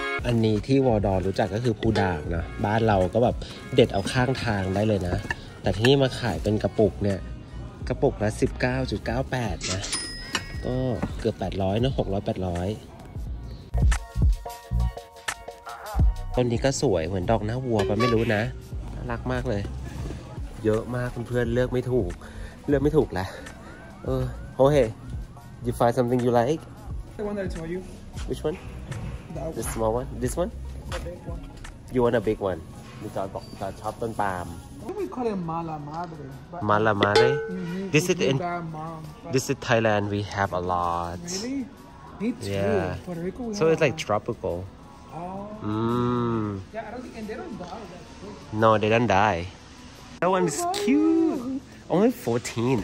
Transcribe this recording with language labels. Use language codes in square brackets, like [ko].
[th] อันนี้ที่วอดอรู้จักก็คือพูด่างนะบ้านเราก็แบบเด็ดเอาข้างทางได้เลยนะแต่ที่นี่มาขายเป็นกระปุกเนี่ยกระปุกละ 19.98 นะก็เกือบ800เนาะ600-800ต้นนี้ก็สวยเหมือนดอกหน้าวัวป่ะไม่รู้นะน่ารักมากเลยเยอะมากเพื่อนๆเลือกไม่ถูกละเออโอเค you find something you like [en] the one that I told you which one the small one this one you want a big one you thought บอกจะชอบต้นปาล์ม Mala Madre. Mala Madre? Mm-hmm. This is in Mom, this is Thailand, we have a lot. Really? Me too. Yeah. Puerto Rico, we so have it's like tropical. Oh. Mm. Yeah, I don't think, and they don't die. No, they don't die. That one is cute. Only 14.